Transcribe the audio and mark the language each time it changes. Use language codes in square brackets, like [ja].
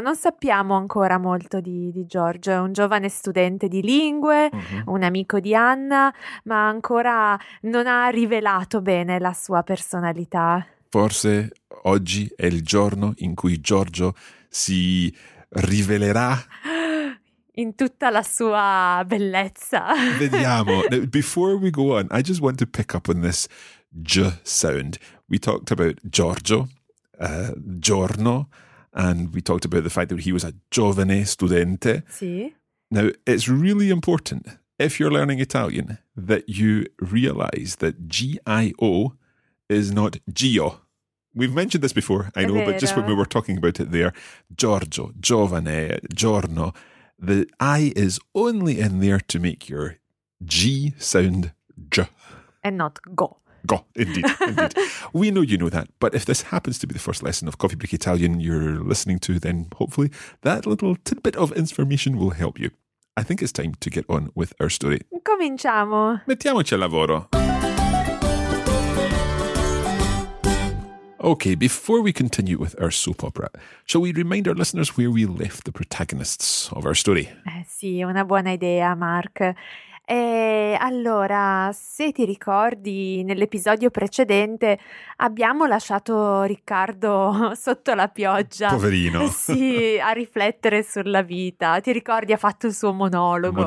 [it] Non sappiamo ancora molto di Giorgio. È un giovane studente di lingue, un amico di Anna, ma ancora non ha rivelato bene la sua personalità. Forse oggi è il giorno in cui Giorgio si rivelerà in tutta la sua bellezza. Vediamo. [en] Now, before we go on, I just want to pick up on this J sound. We talked about Giorgio, giorno, and we talked about the fact that he was a giovane studente. [it] Sì. [en] Now, it's really important, if you're learning Italian, that you realize that G-I-O is not Gio. We've mentioned this before, I know, but just when we were talking about it there, Giorgio, giovane, giorno, the I is only in there to make your G sound J. And not go. Go, indeed. We know you know that, but if this happens to be the first lesson of Coffee Break Italian you're listening to, then hopefully that little tidbit of information will help you. I think it's time to get on with our story. [it] Cominciamo. Mettiamoci al lavoro. [en] Okay, before we continue with our soap opera, shall we remind our listeners where we left the protagonists of our story? [it] Sì, una buona idea, Mark. E allora, se ti ricordi, nell'episodio precedente abbiamo lasciato Riccardo sotto la pioggia. Poverino. Sì, a riflettere sulla vita. Ti ricordi, ha fatto il suo monologo.